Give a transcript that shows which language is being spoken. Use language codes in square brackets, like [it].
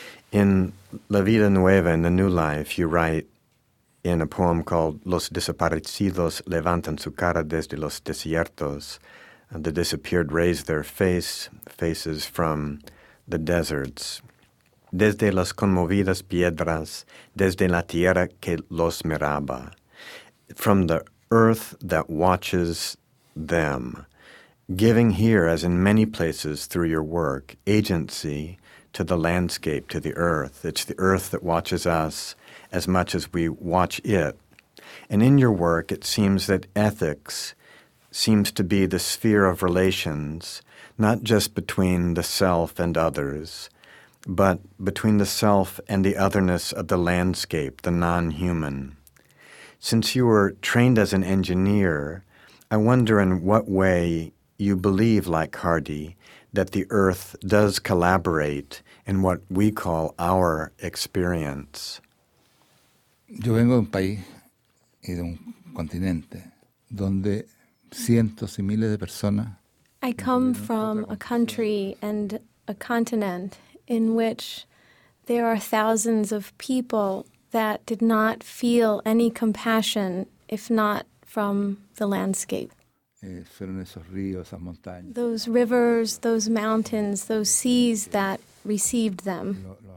[en] In La Vida Nueva, in The New Life, you write in a poem called [es] Los Desaparecidos Levantan Su Cara Desde Los Desiertos, [en] "The disappeared raise their faces from the deserts. [es] Desde las conmovidas piedras, desde la tierra que los miraba." [en] From the earth that watches them. Giving here, as in many places through your work, agency to the landscape, to the earth. It's the earth that watches us as much as we watch it. And in your work, it seems that ethics seems to be the sphere of relations, not just between the self and others, but between the self and the otherness of the landscape, the non-human. Since you were trained as an engineer, I wonder in what way you believe, like Hardy, that the earth does collaborate in what we call our experience. [es] Yo vengo de un país y de un continente donde cientos y miles de personas. [en] I come from a country and a continent in which there are thousands of people that did not feel any compassion, if not from the landscape. Those rivers, those mountains, those seas that received them.